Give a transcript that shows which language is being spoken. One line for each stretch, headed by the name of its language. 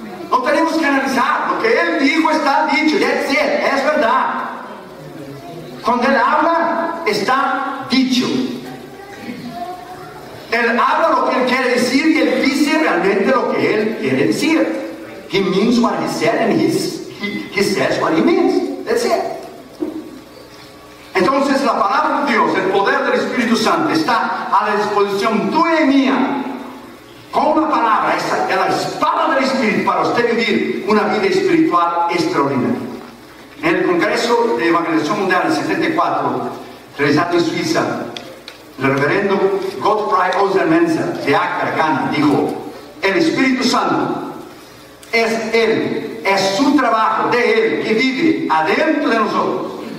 Spanish: No tenemos que analizar, lo que Él dijo está dicho, es verdad. Cuando Él habla, está dicho. Él habla lo que Él quiere decir y Él dice realmente lo que Él quiere decir.
English: He means what He said and he says what He means. That's it.
Spanish: Entonces la palabra de Dios, el poder del Espíritu Santo está a la disposición tuya y mía. Con una palabra, esa es la espada del Espíritu para usted vivir una vida espiritual extraordinaria. En el Congreso de Evangelización Mundial en 74, realizado en Suiza, el reverendo Gottfried Ostermenser, de Accra, Ghana, dijo: el Espíritu Santo es Él, es su trabajo de Él que vive adentro de nosotros.